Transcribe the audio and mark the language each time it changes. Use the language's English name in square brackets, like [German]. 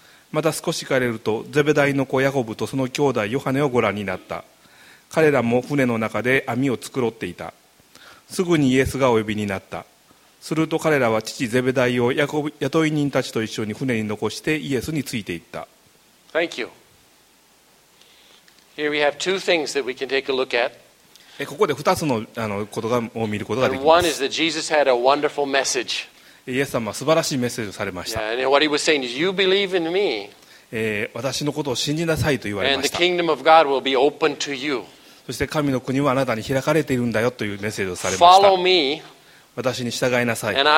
[Japanese] また少し帰れるとゼベダイの子ヤコブとその兄弟ヨハネをご覧になった。彼らも船の中で網を繕っていた。すぐにイエスがお呼びになった。すると彼らは父ゼベダイを雇い人たちと一緒に船に残してイエスについていった。 [English] Thank you. Here we have two things that we can take a look at. [Japanese] ここで2つの、ことを見ることができます。 [English] One is that Jesus had a wonderful message. [Japanese] イエス様は素晴らしいメッセージをされました。 [English] Yeah, and what he was saying is, you believe in me. [Japanese] 私のことを信じなさいと言われました。 [English] And the kingdom of God will be open to you. [Japanese] そして神の国はあなたに開かれているんだよというメッセージをされました。私に従いなさい。